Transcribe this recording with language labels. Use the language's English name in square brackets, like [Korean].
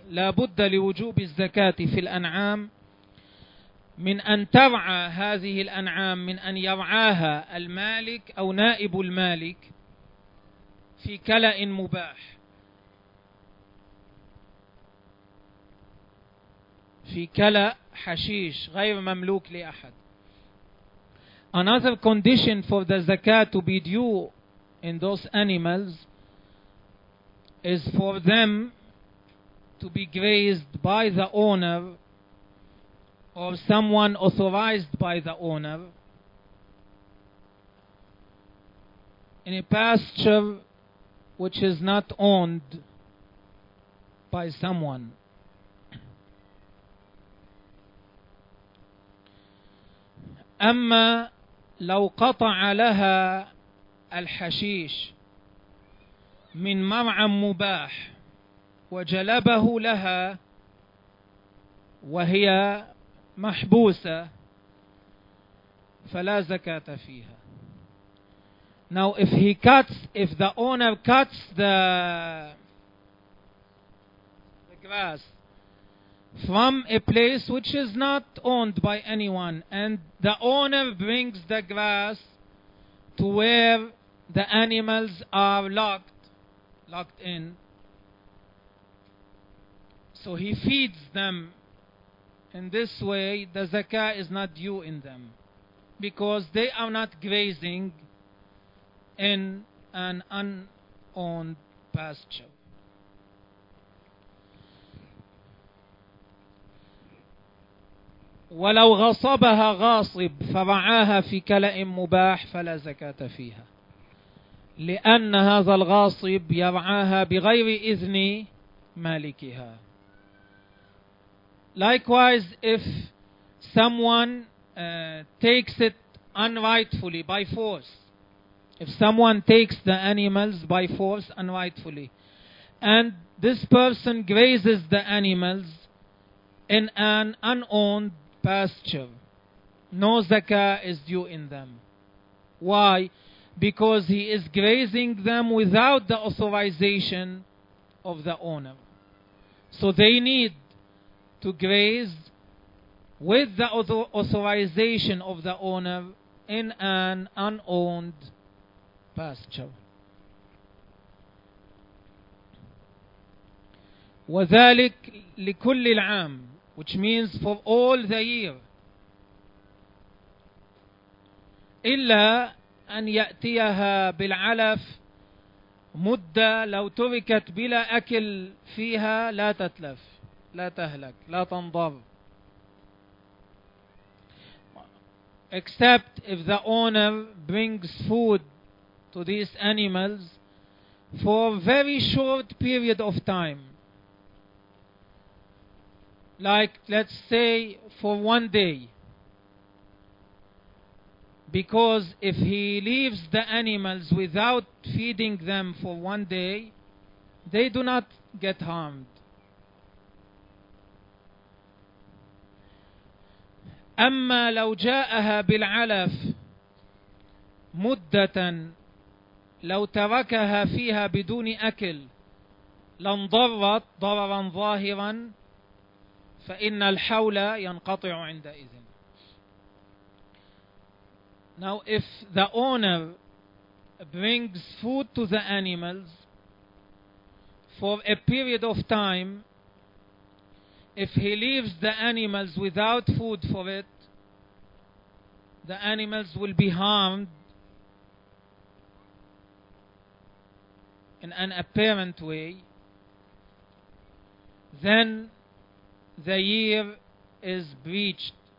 [Arabic] لا بد لوجوب الزكاة في الأنعام من أن ترعى هذه الأنعام, من أن يرعاها المالك أو نائب المالك في كلأ مباح, في كلأ حشيش غير مملوك لأحد. [English] Another condition for the zakah to be due in those animals is for them to be grazed by the owner or someone authorized by the owner in a pasture which is not owned by someone. [Arabic] أما لو قطع لها الحشيش من مرعى مباح وجلبه لها وهي محبوسة فلا زكاة فيها. [English] Now if the owner cuts the grass from a place which is not owned by anyone, and the owner brings the grass to where the animals are locked in, so he feeds them, in this way the zakah is not due in them because they are not grazing in an unowned pasture. [Arabic] ولو غصبها غاصب فرعاها في كلأ مباح فلا زكاة فيها, لأن هذا الغاصب يرعاها بغير إذن مالكها. [English] Likewise, if someone takes it unrightfully by force, if someone takes the animals by force unrightfully, and this person grazes the animals in an unowned pasture, no zakah is due in them. Why? Because he is grazing them without the authorization of the owner. So they need to graze with the authorization of the owner in an unowned pasture. [Arabic] وذلك لكل العام, [English] which means for all the year. [Arabic] إلا أن يأتيها بالعلف مدة, لو تركت بلا أكل فيها لا تتلف, لا تهلك, لا تنضر. [English] Except if the owner brings food to these animals for a very short period of time. Like, let's say, for one day. Because if he leaves the animals without feeding them for one day, they do not get harmed. [Arabic] أما لو جاءها بالعلف مدة, لو تركها فيها بدون أكل لانضرت ضررا ظاهرا, فإن الحول ينقطع عندئذ. [English] Now if the owner brings food to the animals for a period of time, if he leaves the animals without food for it, the animals will be harmed in an apparent way, then the year is breached